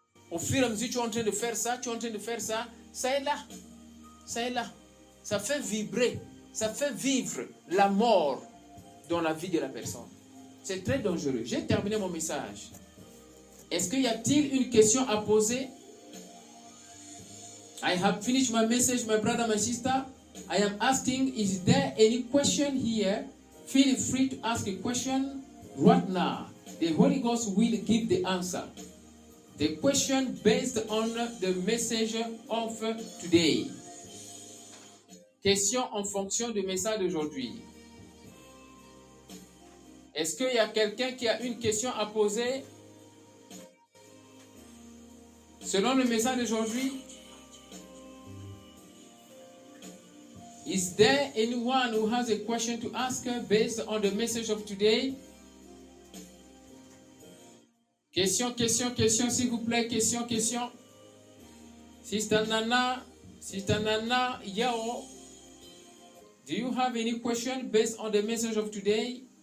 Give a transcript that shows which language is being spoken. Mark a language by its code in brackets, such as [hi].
[fr] Au fur et à mesure, tu es en train de faire ça, tu es en train de faire ça, ça est là. Ça est là. Ça fait vibrer, ça fait vivre la mort dans la vie de la personne. C'est très dangereux. J'ai terminé mon message. Est-ce qu'il y a-t-il une question à poser? [en] I have finished my message, my brother, my sister. I am asking, is there any question here? Feel free to ask a question right now. The Holy Ghost will give the answer. The question based on the message of today. [fr] Question en fonction du message d'aujourd'hui. Est-ce qu'il y a quelqu'un qui a une question à poser? Selon le message d'aujourd'hui, [en] is there anyone who has a question to ask based on the message of today? Question, question, question, [fr] s'il vous plaît, [en] question, question. Sister Nana, Yao, do you have any question based on the message of today?